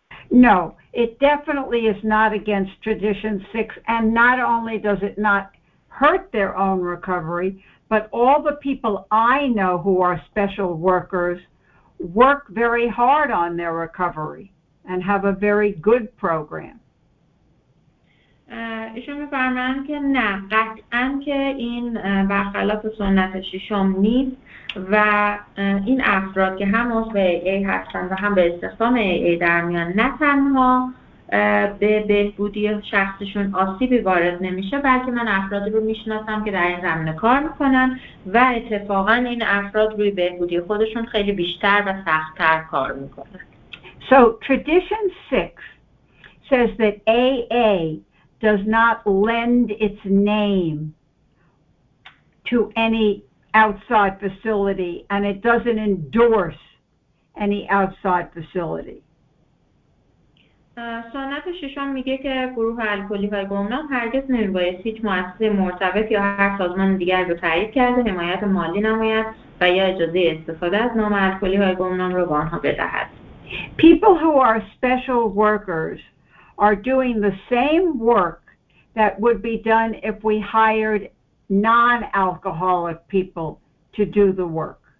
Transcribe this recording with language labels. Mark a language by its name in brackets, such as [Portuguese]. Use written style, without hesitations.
[English] No, it definitely is not against tradition 6, and not only does it not hurt their own recovery, but all the people I know who are special workers work very hard on their recovery and have a very good program. [Persian] ایشون می‌فرمایند که نه، قطعاً که این برخلاف سنت ششم نیست و این افراد که هم عضو AA هستند و هم به استخدام AA در میان نه تنها به بهبودی شخصشون آسیبی وارد نمیشه، بلکه من افرادی رو میشناسم که در این زمینه کار میکنن و اتفاقا این افراد روی بهبودی خودشون خیلی بیشتر و سختتر کار میکنن. [English] So tradition 6 says that AA does not lend its name to any outside facility and it doesn't endorse any outside facility. [Persian] سنت ششم میگه که گروه الکلی و گمنام هرگز نمیباید هیچ مؤسسه مرتبط یا هر سازمان دیگر رو تایید کرده، حمایت مالی نماید و یا اجازه استفاده از نام الکلی و گمنام رو به آنها بدهد. [English] People who are special workers are doing the same work that would be done if we hired non-alcoholic people to do the work.